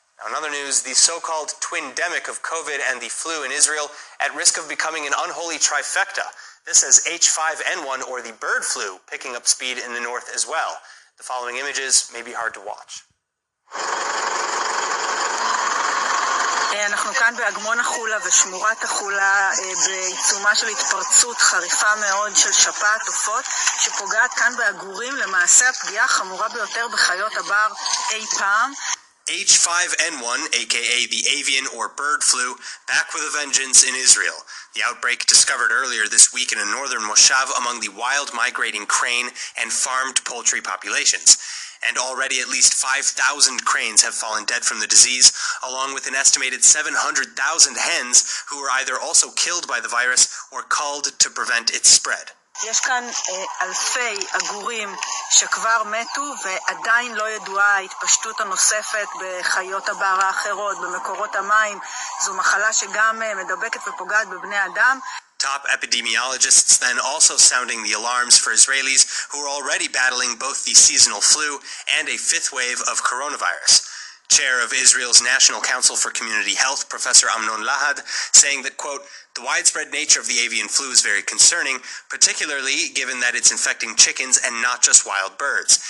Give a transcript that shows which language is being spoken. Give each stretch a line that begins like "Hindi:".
English: Now, in other news, the so-called twindemic of COVID and the flu in Israel at risk of becoming an unholy trifecta. This is H5N1, or the bird flu, picking up speed in the north as well. The following images may be hard to watch.
Hebrew: אנחנו כאן באגמון החולה ושמורת החולה בעיצומה של התפרצות חריפה מאוד של שפעת עופות שפוגעת כאן באגורים, למעשה הפגיעה החמורה ביותר בחיות הבר אי פעם.
English: H5N1, aka the avian or bird flu, back with a vengeance in Israel. The outbreak discovered earlier this week in a northern moshav among the wild migrating crane and farmed poultry populations. And already at least 5,000 cranes have fallen dead from the disease, along with an estimated 700,000 hens who were either also killed by the virus or culled to prevent its spread.
Hebrew: יש כאן אלפי אגורים שכבר מתו ועדיין לא ידועה ההתפשטות הנוספת בחיות הבר האחרות, במקורות המים. זו מחלה שגם מדבקת ופוגעת בבני אדם.
English: Top epidemiologists then also sounding the alarms for Israelis who are already battling both the seasonal flu and a fifth wave of coronavirus. Chair of Israel's National Council for Community Health, Professor Amnon Lahad, saying that, quote, the widespread nature of the avian flu is very concerning, particularly given that it's infecting chickens and not just wild birds.